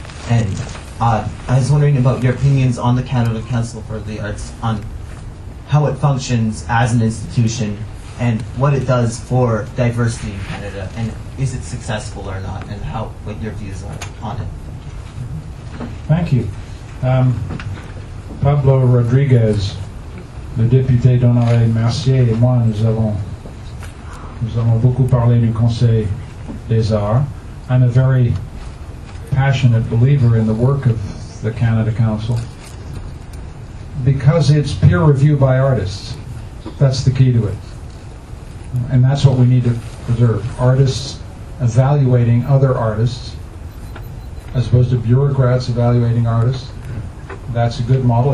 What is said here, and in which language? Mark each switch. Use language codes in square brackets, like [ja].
[en] And I was wondering about your opinions on the Canada Council for the Arts, on how it functions as an institution, and what it does for diversity in Canada, and is it successful or not, and what your views are on it. Thank you. [fr] Pablo Rodriguez, le député d'Honoré Mercier, et moi, nous avons beaucoup parlé du Conseil des Arts. [en] I'm a very passionate believer in the work of the Canada Council because it's peer review by artists. That's the key to it. And that's what we need to preserve. Artists evaluating other artists as opposed to bureaucrats evaluating artists. That's a good model.